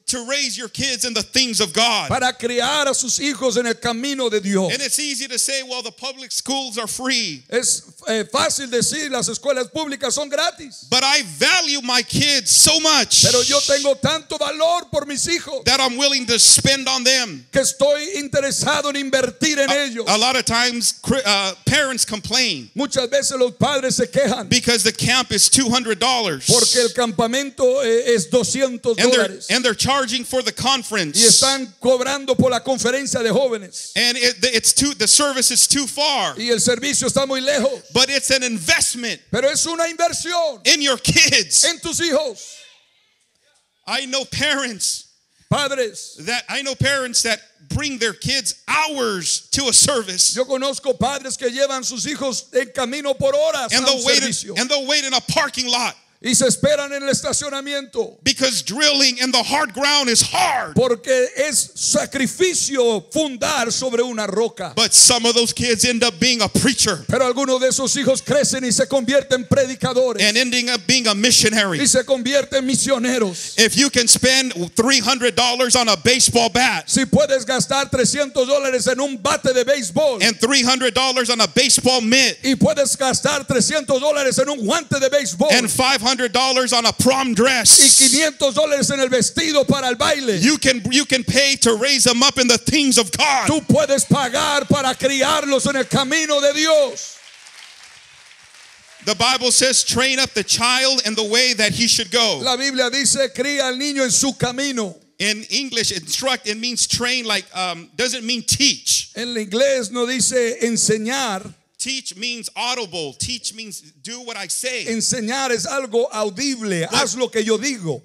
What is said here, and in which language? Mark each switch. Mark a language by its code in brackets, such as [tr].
[en] to raise your kids in the things of God. [es] Para criar a sus hijos en el camino de Dios. [en] And it's easy to say, well, the public schools are free. [es] Fácil decir, las escuelas públicas son gratis. [en] But I value my kids so much. [es] Pero yo tengo tanto valor por mis hijos. [en] That I'm willing to spend on them. [es] Que estoy interesado en invertir en ellos. [en] A lot of times parents complain. [es] Muchas veces los padres se quejan. [en] Because the camp is $200. [es] Porque el campamento es $200. [en] And they're charging for the conference. [es] Y están cobrando por la conferencia de jóvenes. [en] And the service is too far. [es] Y el servicio está muy lejos. [en] But it's an investment. [es] Pero es una inversión. [en] In your kids. [es] En tus hijos. [en] I know parents. [es] Padres. [en] That I know parents that bring their kids hours to a service. [es] Yo conozco padres que llevan sus hijos en camino por horas a un servicio. [en] And they'll wait in a parking lot. [es] Y se esperan en el estacionamiento. [en] Because drilling in the hard ground is hard. [es] Porque es sacrificio fundar sobre una roca. [en] But some of those kids end up being a preacher. [es] Pero algunos de esos hijos crecen y se convierten en predicadores. [en] And ending up being a missionary. [es] Y se convierten en misioneros. [en] If you can spend $300 on a baseball bat. [es] Si puedes gastar $300 en un bate de béisbol. [en] And $300 on a baseball mitt. [es] Y puedes gastar $300 en un guante de béisbol. [en] And $500 on a prom dress. [es] Y $500 en el vestido para el baile. [en] You can pay to raise them up in the things of God. [es] Tú puedes pagar para criarlos en el camino de Dios. [en] The Bible says, train up the child in the way that he should go. [es] La Biblia dice, cría al niño en su camino. [en] In English, instruct, it means train, like doesn't mean teach. [es] En el inglés no dice enseñar. [en] Teach means audible. Teach means do what I say. [es] Enseñar es algo audible. But, haz lo que yo digo.